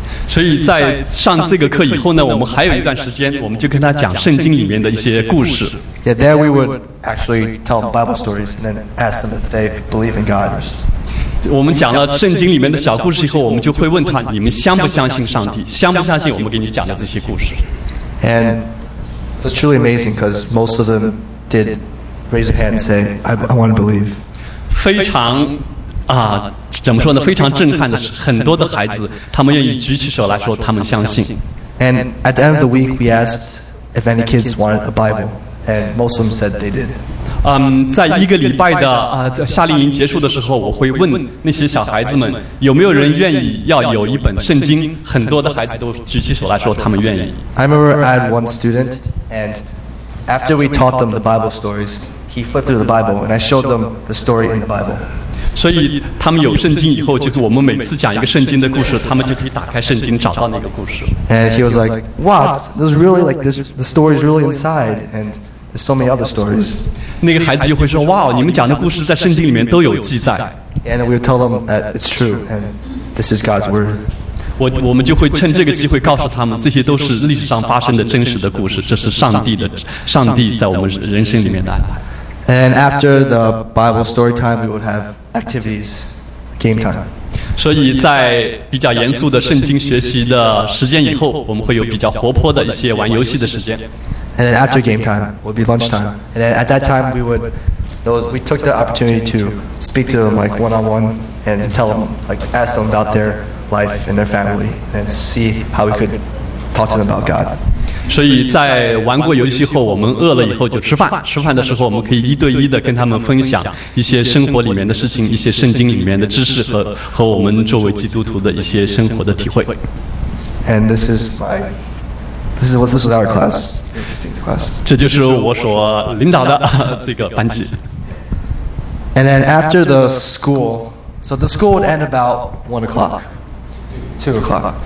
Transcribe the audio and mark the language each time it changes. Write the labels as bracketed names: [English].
[Chinese] 所以在上这个课以后呢，我们还有一段时间，我们就跟他讲圣经里面的一些故事。 [English] Yeah, there we would actually tell Bible stories and then ask them if they believe in God. [Chinese] 我们讲了圣经里面的小故事以后，我们就会问他：你们相不相信上帝？相不相信我们给你讲的这些故事 [English] ？And it's truly amazing because most of them did raise a hand and say, "I want to believe." [Chinese] 非常怎么说呢？非常震撼的是，很多的孩子他们愿意举起手来说他们相信。 [English] And at the end of the week, we asked if any kids wanted a Bible, and most of them said they did. [Chinese] 在一个礼拜的夏令营结束的时候，我会问那些小孩子们有没有人愿意要有一本圣经。很多的孩子都举起手来说他们愿意。 [English] I remember I had one student, and after we taught them the Bible stories, he flipped through the Bible and I showed them the story in the Bible. [Chinese] 所以他们有圣经以后，就是我们每次讲一个圣经的故事，他们就可以打开圣经找到那个故事。 [English] And he was like, "Wow, this is really like this. The story is really inside." And there's so many other stories. [Chinese] 那个孩子就会说：“哇，你们讲的故事在圣经里面都有记载。” [English] And we'll tell them that it's true, and this is God's word. [Chinese] 我们就会趁这个机会告诉他们，这些都是历史上发生的真实的故事，这是上帝在我们人生里面的安排。 [English] And after the Bible story time, we would have activities, game time. [Chinese] 所以在比较严肃的圣经学习的时间以后，我们会有比较活泼的一些玩游戏的时间。 [English] And then after game time, it would be lunchtime. And then at that time, we took the opportunity to speak to them like one-on-one and tell them, like ask them about their life and their family and see how we could talk to them about God. [Chinese] 所以在玩过游戏后，我们饿了以后就吃饭。吃饭的时候，我们可以一对一的跟他们分享一些生活里面的事情，一些圣经里面的知识和我们作为基督徒的一些生活的体会。 [English] And this is our class. [Chinese] 这就是我所领导的这个班级。 [English] And then after the school, so the school would end about 1 o'clock, 2 o'clock.